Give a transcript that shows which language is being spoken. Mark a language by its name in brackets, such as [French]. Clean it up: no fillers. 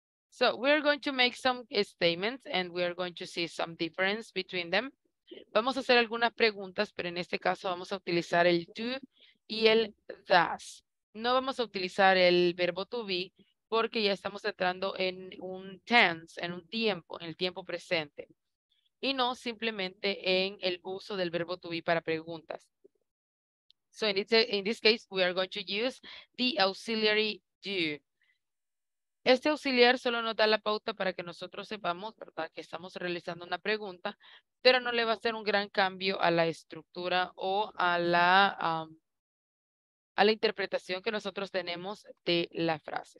[English] So we're going to make some statements and we're going to see some difference between them. [Spanish] Vamos a hacer algunas preguntas, pero en este caso vamos a utilizar el to y el does. No vamos a utilizar el verbo to be porque ya estamos entrando en un tense, en un tiempo, en el tiempo presente. Y no simplemente en el uso del verbo to be para preguntas. [English] So in this case, we are going to use the auxiliary do. [Spanish] Este auxiliar solo nos da la pauta para que nosotros sepamos, ¿verdad?, que estamos realizando una pregunta, pero no le va a hacer un gran cambio a la estructura o a la interpretación que nosotros tenemos de la frase.